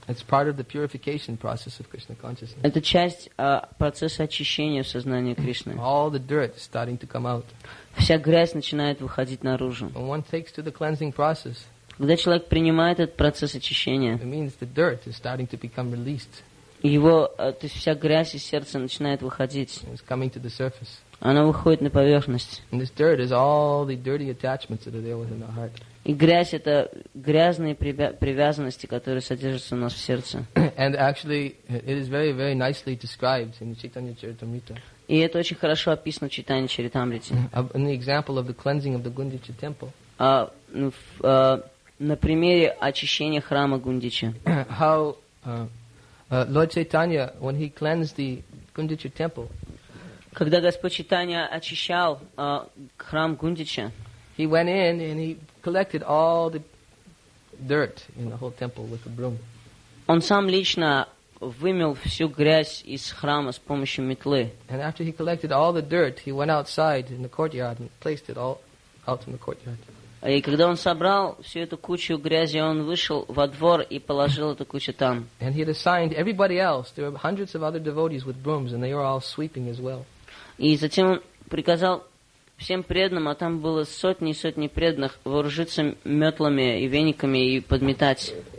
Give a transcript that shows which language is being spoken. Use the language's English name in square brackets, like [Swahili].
[English] It's part of the purification process of Krishna consciousness. [Russian] Это часть процесса очищения в сознании Кришны. [English] All the dirt is starting to come out. [Russian] Вся грязь начинает выходить наружу. [English] When one takes to the cleansing process, [Russian] когда человек принимает этот процесс очищения, [English] it means the dirt is starting to become released. [Russian] Его, то есть вся грязь из сердца начинает выходить. [English] It's coming to the surface. [Russian] Она выходит на поверхность. [English] And this dirt is all the dirty attachments that are there within the heart. [Russian] И грязь — это грязные привязанности, которые содержатся у нас в сердце. [English] And actually, it is very, very nicely described in the Chaitanya Charitamrita. [Russian] И это очень хорошо описано в Чайтанье Чаритамрите. [English] In the example of the cleansing of the Гундича temple. [Russian] На примере очищения храма Гундича. [English] How Lord Chaitanya, when he cleansed the Гундича temple. [Russian] Когда Господь Чайтанья очищал храм Гундича. [English] He went in and he collected all the dirt in the whole temple with a broom. [Russian] Он сам лично вымел всю грязь из храма с помощью метлы. [English] And after he collected all the dirt, he went outside in the courtyard and placed it all out in the courtyard. [Russian] И когда он собрал всю эту кучу грязи, он вышел во двор и положил эту кучу там. [English] And he had assigned everybody else. There were hundreds of other devotees with brooms, and they were all sweeping as well. [Russian] И затем он приказал всем преданным, а там было сотни и сотни преданных, вооружиться метлами и вениками и подметать.